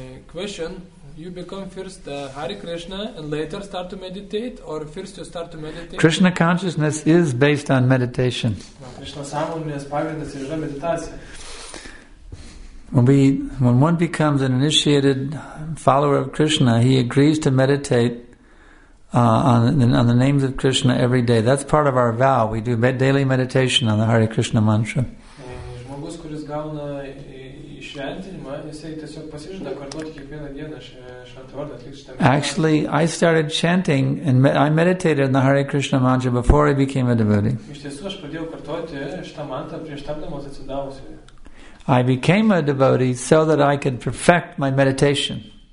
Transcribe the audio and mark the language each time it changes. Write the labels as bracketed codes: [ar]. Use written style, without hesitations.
[en] Question, you become first Hare Krishna and later start to meditate, or first you start to meditate? Krishna consciousness is based on meditation. [lt] Krishna sąmonės pagrindas yra meditacija. [en] When one becomes an initiated follower of Krishna, he agrees to meditate on the names of Krishna every day. That's part of our vow. We do daily meditation on the Hare Krishna mantra. [lt] Žmogus, kuris gauna šventinimą, jisai tiesiog pasižada kartuoti kiekvieną dieną šventą vardą, atlikti šitą. [en] Actually, I started chanting and I meditated on the Hare Krishna mantra before I became a devotee. [lt] Iš tiesų, aš pradėjau kartuoti šitą mantrą prieš tapdamas atsidavusiu. [en] I became a devotee so that I could perfect my meditation.